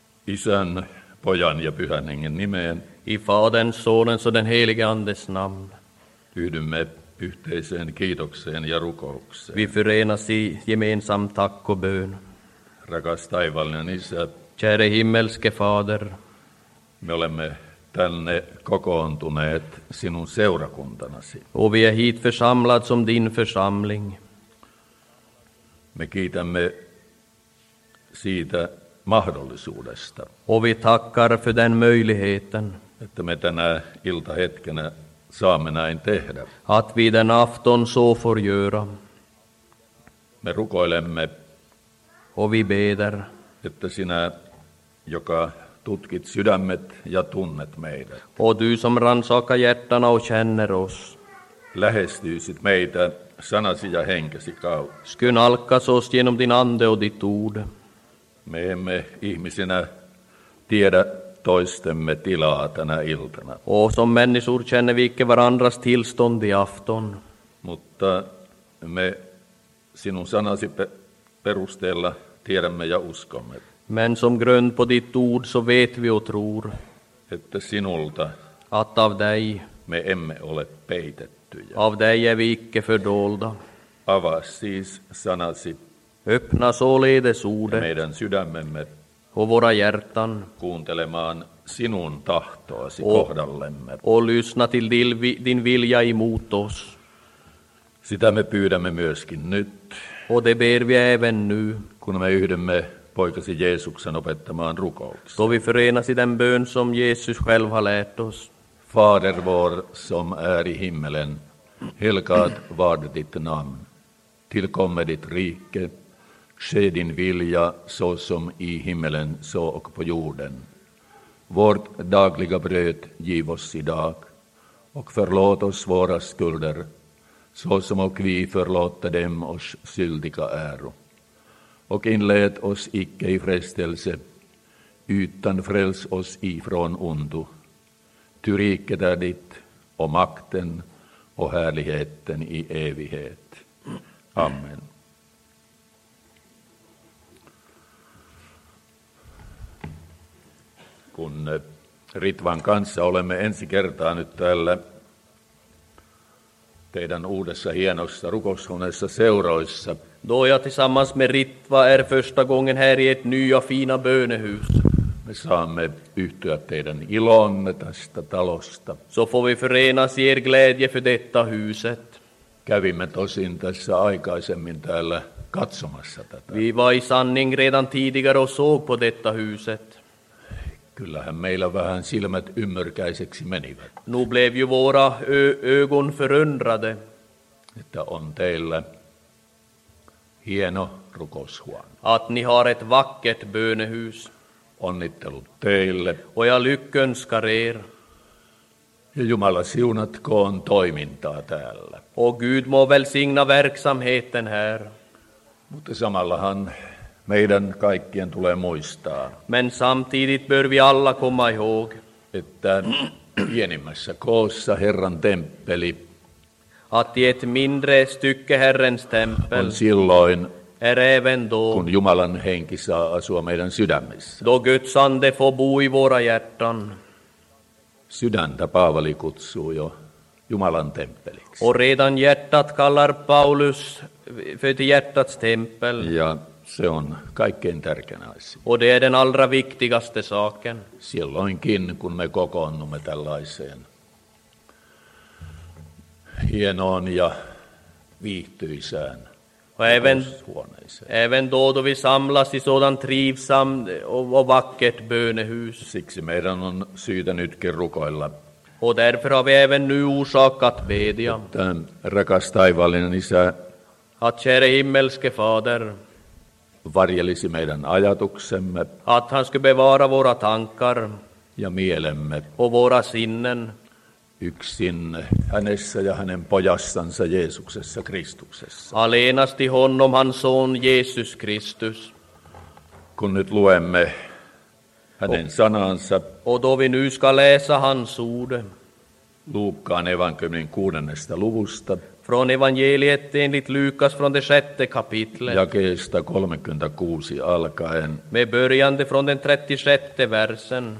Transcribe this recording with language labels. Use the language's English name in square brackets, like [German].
[Finnish] Isän, Pojan ja Pyhän Hengen nimeen. [Swedish] I Fadern, Sonens och den helige Andes namn. [Finnish] Tyydymme yhteiseen kiitokseen ja rukoukseen. [Swedish] Vi förenas i gemensam tack och bön. [Finnish] Rakas taivallinen Isä. [Swedish] Käre himmelske Fader. [Finnish] Me olemme tänne kokoontuneet sinun seurakuntanasi. [Swedish] Och vi är hit församlat som din församling. [Finnish] Me kiitämme siitä mahdollisuudesta. [Swedish] Och vi tackar för den möjligheten. [Finnish] Että me tänä iltahetkenä saamme näin tehdä. [Swedish] Att vi den afton så får göra. [Finnish] Me rukoilemme. [Swedish] Och vi beder. [Finnish] Että sinä, joka tutkit sydämet ja tunnet meidät. [Swedish] O du som ransakar hjärtan och känner oss. [Finnish] Lähestyisit meitä sanasi ja henkesi kautta. [Swedish] Skön alkas oss genom din ande och ditt ord. [Finnish] Me emme ihmisinä tiedä toistemme tilaa tänä iltana. [Swedish] O som människor känner vi icke varandras tillstånd i afton. [Finnish] Mutta me sinun sanasi perusteella tiedämme ja uskomme. [Swedish] Men som grund på ditt ord så vet vi och tror [Finnish] että sinulta [Swedish] att av dig [Finnish] me emme ole peitettyjä. [Swedish] Av dig är vi icke fördolda. [Finnish] Avaa siis sanasi. [Swedish] Öppna således ordet [Finnish] meidän sydämemme [Swedish] och våra hjärtan [Finnish] kuuntelemaan sinun tahtoasi kohdallemme. [Swedish] Och lyssna till din vilja emot oss. [Finnish] Sitä me pyydämme myöskin nyt. [Swedish] Och det ber vi även nu. [Finnish] Kun me yhdymme poikasi Jeesuksen opettamaan rukoukseen. [Swedish] Då vi förenas i den bön som Jesus själv har lärt oss. Fader vår som är i himmelen, helgad var ditt namn. Tillkomme ditt rike, ske din vilja så som i himmelen så och på jorden. Vårt dagliga bröd giv oss idag och förlåt oss våra skulder så som och vi förlåta dem oss skyldiga äro. Och inled oss icke i frestelse, utan fräls oss ifrån ondo. Ty riket är ditt, och makten och härligheten i evighet. Amen. [Finnish] Kun Ritvan kanssa olemme ensi kertaa nyt täällä teidän uudessa hienossa rukoushuoneessa seuroissa. [Swedish] Då jag tillsammans med Ritva är första gången här i ett nya fina bönehus. [Finnish] Me saamme yhtyä teidän ilonne tästä talosta. [Swedish] Så får vi förenas i er glädje för detta huset. [Finnish] Kävimme tosin tässä aikaisemmin täällä katsomassa tätä. [Swedish] Vi var i sanning redan tidigare och såg på detta huset. [Finnish] Kyllähän meillä vähän silmät ymmyrkäiseksi menivät. [Swedish] Nu blev ju våra ögon förundrade. [Finnish] Että on teillä hieno rukoushuone. [Swedish] Att ni har ett vackert bönehus. [Finnish] Onnittelut teille. [Swedish] Och jag lyckönskar er. [Finnish] Ja Jumala siunatkoon toimintaa täällä. [Swedish] O Gud må välsigna verksamheten här. [Finnish] Mutta samallahan meidän kaikkien tulee muistaa. [Swedish] Men samtidigt bör vi alla komma ihåg. [Finnish] Että pienimmässä koossa Herran temppeli. [Swedish] Att i ett mindre stycke Herrens tempel [Finnish] silloin, [Swedish] är även då, [Finnish] kun Jumalan henki saa asua meidän sydämissä. [Swedish] Då Guds ande får bo i våra hjärtan. [Finnish] Sydäntä Paavali kutsuu jo Jumalan temppeliksi. [Swedish] Och redan hjärtat kallar Paulus för hjärtats tempel. [Finnish] Ja se on kaikkein tärkein asia. [Swedish] Och det är den allra viktigaste saken. [Finnish] Silloinkin, kun me kokoonnumme tällaiseen hienoon ja viihtyisään rukoushuoneeseen. [Swedish] Även då vi samlas i sådan trivsam och vackert bönehus. [Finnish] Siksi meidän on syytä nytkin rukoilla. [Swedish] Och därför har vi även nu orsakat bedja. [Finnish] Että rakas taivallinen Isä, [Swedish] att käre himmelske Fader, [Finnish] varjelisi meidän ajatuksemme, [Swedish] att han skulle bevara våra tankar, [Finnish] ja mielemme, [Swedish] och våra sinnen, [Finnish] yksin hänessä ja hänen pojassansa Jeesuksessa Kristuksessa. [Swedish] Alenasti honom hans son Jeesus Kristus. [Finnish] Kun nyt luemme hänen sanansa. [Swedish] Och då vi nu ska läsa hans ord. [Finnish] Luukkaan evankeliumin 6. luvusta. [Swedish] Från evangeliet enligt Lukas från det 6:e kapitlet. [Finnish] Jakeesta 36 alkaen. [Swedish] Med börjande från den 37:e versen.